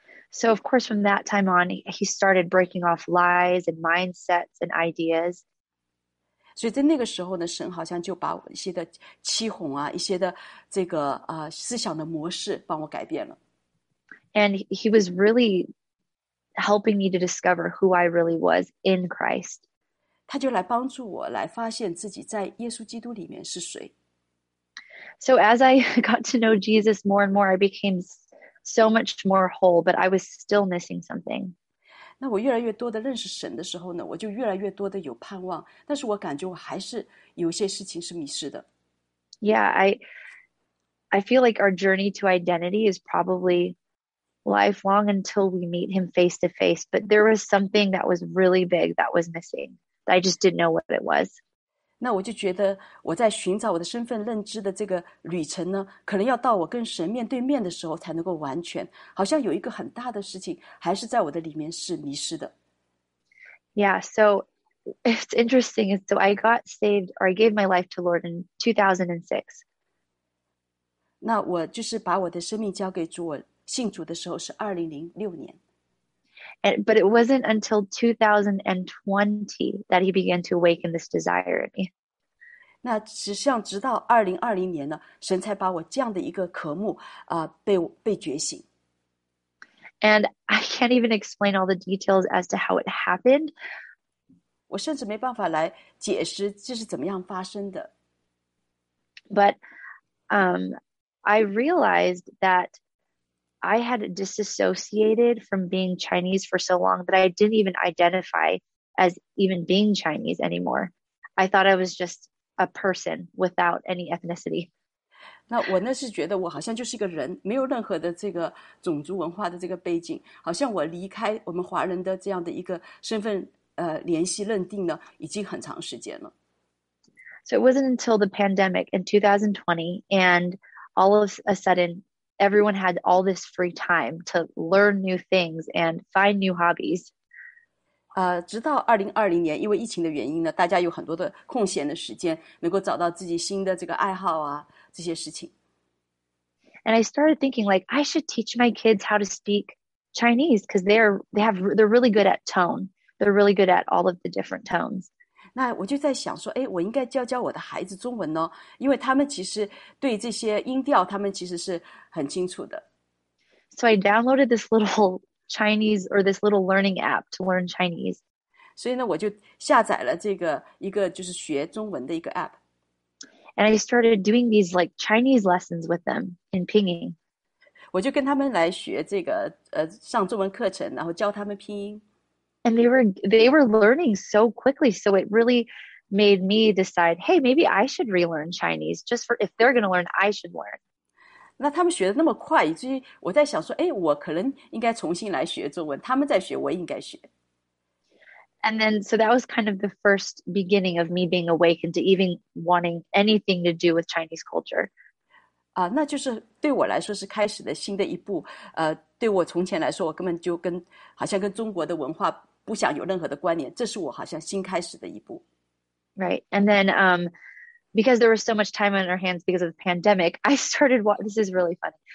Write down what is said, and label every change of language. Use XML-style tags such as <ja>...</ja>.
<en>So of course, from that time on, he started breaking off lies and mindsets and ideas.</en> <zh>所以在那个时候呢，神好像就把我一些的欺哄啊，一些的这个思想的模式帮我改变了。</zh> <en>And he was really helping me to discover who I really was in Christ.</en> <zh>他就来帮助我来发现自己在耶稣基督里面是谁。</zh> <en>So as I got to know Jesus more and more, I became so much more whole, but I was still missing something.</en> <zh>那我越来越多的认识神的时候呢，我就越来越多的有盼望，但是我感觉我还是有些事情是迷失的。</zh> <en>Yeah, I feel like our journey to identity is probably lifelong until we meet him face to face, but there was something that was really big that was missing. I just didn't know what it was.</en> <zh>那我就觉得我在寻找我的身份认知的这个旅程呢，可能要到我跟神面对面的时候才能够完全，好像有一个很大的事情还是在我的里面是迷失的。</zh> <en>Yeah, so it's interesting. So I got saved, or I gave my life to the Lord in 2006.</en> <zh>那我就是把我的生命交给主，我信主的时候是2006年。</zh> <en>But it wasn't until 2020 that he began to awaken this desire in me.</en> <zh>那实际上直到2020年呢，神才把我这样的一个渴慕被觉醒。</zh> <en>And I can't even explain all the details as to how it happened.</en> <zh>我甚至没办法来解释这是怎么样发生的。</zh> <en>But I realized that I had disassociated from being Chinese for so long that I didn't even identify as even being Chinese anymore. I thought I was just a person without any ethnicity.</en> <zh>那我呢是觉得我好像就是一个人，没有任何的这个种族文化的这个背景，好像我离开我们华人的这样的一个身份联系认定呢，已经很长时间了。</zh> <en>So it wasn't until the pandemic in 2020 and all of a sudden, everyone had all this free time to learn new things and find new hobbies.</en> <zh>直到2020年，因为疫情的原因呢，大家有很多的空闲的时间，能够找到自己新的这个爱好啊，这些事情。</zh> <en>And I started thinking, like, I should teach my kids how to speak Chinese because they're really good at tone. They're really good at all of the different tones.</en> <zh>那我就在想说，哎，我应该教教我的孩子中文呢，因为他们其实对这些音调，他们其实是很清楚的。</zh> <en>So I downloaded this little Chinese or this little learning app to learn Chinese.</en> <zh>所以呢，我就下载了这个一个就是学中文的一个 app.</zh> <en>And I started doing these like Chinese lessons with them in Pinyin.</en> <zh>我就跟他们来学这个上中文课程，然后教他们拼音。</zh> <en>And they were learning so quickly, so it really made me decide, hey, maybe I should relearn Chinese just for if they're going to learn, I should learn.</en> <zh>那他们学的那么快，以至于我在想说，哎，我可能应该重新来学中文。他们在学，我应该学。</zh> <en>And then, so that was kind of the first beginning of me being awakened to even wanting anything to do with Chinese culture.</en> <zh>那就是对我来说是开始的新的一步。对我从前来说，我根本就跟好像跟中国的文化不想有任何的关联，这是我好像新开始的一步。</zh> <en>Right, and then because there was so much time on our hands because of the pandemic, I started this is really funny.</en>